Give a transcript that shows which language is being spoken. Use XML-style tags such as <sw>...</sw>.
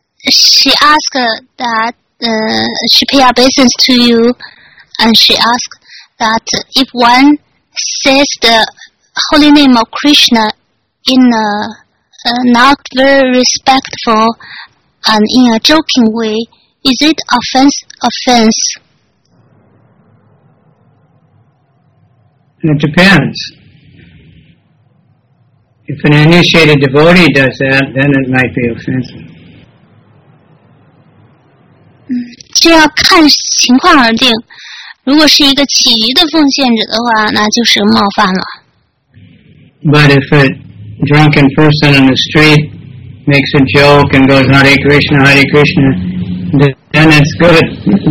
<en>She asked that, she pay obeisance to you, and she asked that if one says the holy name of Krishna in a not very respectful and in a joking way, is it offense? It depends. If an initiated devotee does that, then it might be offensive.</en> <zh>这要看情况而定，如果是一个起疑的奉献者的话，那就是冒犯了。</zh> <en>But if a drunken person in the street makes a joke and goes Hare Krishna, Hare Krishna, then it's good.</en>